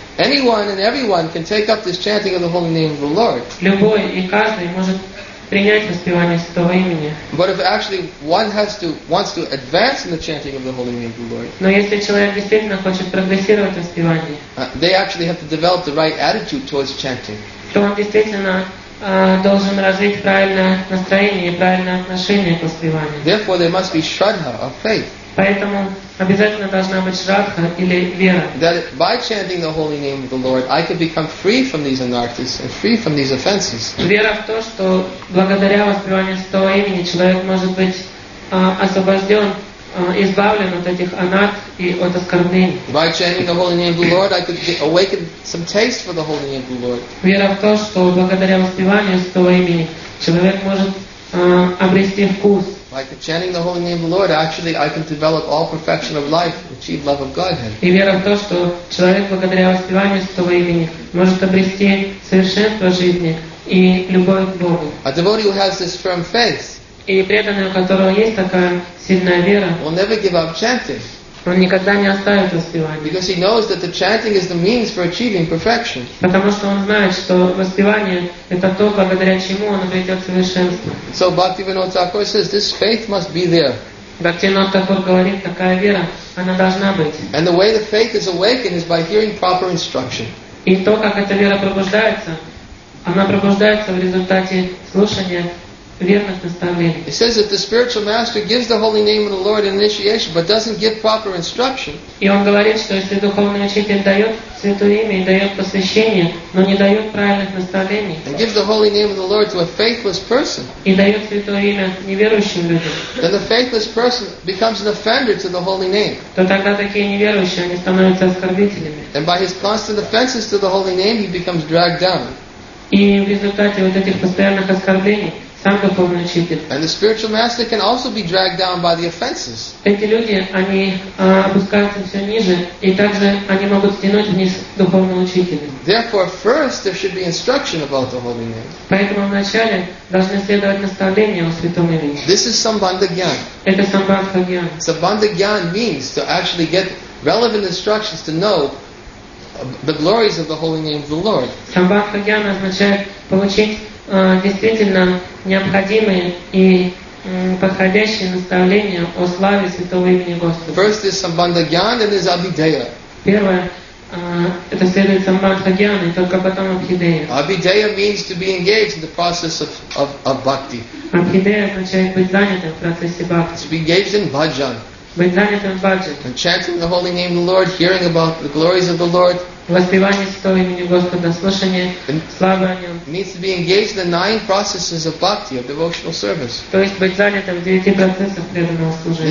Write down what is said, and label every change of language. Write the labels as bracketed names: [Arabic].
[English] Anyone and everyone can take up this chanting of the holy name of the Lord. But if actually one wants to advance in the chanting of the holy name of the Lord, they actually have to develop the right attitude towards chanting. [Russian] То он действительно должен развить правильное настроение и правильное отношение к воспеванию. [English] Therefore, there must be shraddha or faith. [Russian] Поэтому обязательно должна быть шрадха или вера. [English] That by chanting the holy name of the Lord, I could become free from these anarthas and free from these offenses. [Russian] Вера в то, что благодаря воспеванию святого имени человек может быть освобожден. [English] By chanting the holy name of the Lord, I could awaken some taste for the holy name of the Lord. [Russian] Вера в то, что благодаря воспеванию святого имени человек может обрести вкус. [English] By chanting the holy name of the Lord, actually I can develop all perfection of life, achieve love of Godhead. [Russian] И вера в то, что человек благодаря воспеванию святого имени может обрести совершенство жизни и любовь к Богу. [English] A devotee who has this firm faith. [Russian] И преданный, у которого есть такая сильная вера, [English] will never give up chanting, [Russian] он никогда не оставит воспевание. [English] Because he knows that the chanting is the means for achieving perfection. [Russian] Потому что он знает, что воспевание это то, благодаря чему он обретет совершенство. [English] So Bhaktivinoda Thakur says this faith must be there. [Russian] Бхактивинода Тхакур говорит, такая вера, она должна быть. [English] And the way the faith is awakened is by hearing proper instruction. [Russian] И то, как эта вера пробуждается, она пробуждается в результате слушания. [English] It says that the spiritual master gives the holy name of the Lord in initiation, but doesn't give proper instruction. [Russian] И он говорит, что если духовный учитель дает святое имя и дает посвящение, но не дает правильных наставлений. [English] And gives the holy name of the Lord to a faithless person. [Russian] И дает святое имя неверующим людям. [English] Then the faithless person becomes an offender to the holy name. [Russian] То тогда такие неверующие они становятся оскорбителями. [English] And by his constant offenses to the holy name, he becomes dragged down. [Russian] И в результате вот этих постоянных оскорблений. [English] And the spiritual master can also be dragged down by the offenses. [Russian] Эти люди, они опускаются все ниже, и также они могут стянуть вниз духовного учителя. [English] Therefore, first there should be instruction about the holy name. [Russian] Поэтому вначале должны следовать наставления о святом имени. [English] This is sambandha gyan. [Russian] Это самбандха гьян. [English] Sambandha gyan means to actually get relevant instructions to know the glories of the holy name of the Lord. [Russian] Самбандха гьян означает получить действительно необходимые и подходящие наставления о славе святого имени Господа. [English] First is sambandha gyan, then is abhideya. [Russian] Первое это следует самбандха гьян, и только потом абхидея. [English] Abhideya means to be engaged in the process of bhakti. [Russian] Абхидея означает быть занятым в процессе бхакти. [English] To be engaged in bhajan. [Russian] Быть занятым в бхаджан. [English] And chanting the holy name of the Lord, hearing about the glories of the Lord. [Russian] Воспевание святого имени Господа, слушание славы о нем. [English] Needs to be engaged in the 9 processes of bhakti, of devotional service. [Russian] То есть быть занятым в 9 процессах преданного служения.